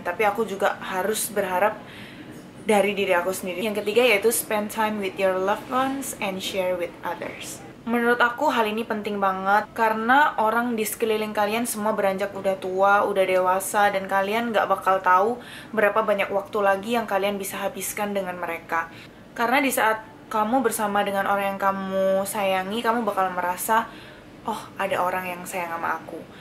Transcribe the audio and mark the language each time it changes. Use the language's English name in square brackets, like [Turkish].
[Indonesian] Tapi aku juga harus berharap dari diri aku sendiri. Yang ketiga yaitu [English] spend time with your loved ones and share with others. [Indonesian] Menurut aku hal ini penting banget karena orang di sekeliling kalian semua beranjak udah tua, udah dewasa dan kalian gak bakal tahu berapa banyak waktu lagi yang kalian bisa habiskan dengan mereka. Karena di saat kamu bersama dengan orang yang kamu sayangi, kamu bakal merasa, oh, ada orang yang sayang sama aku.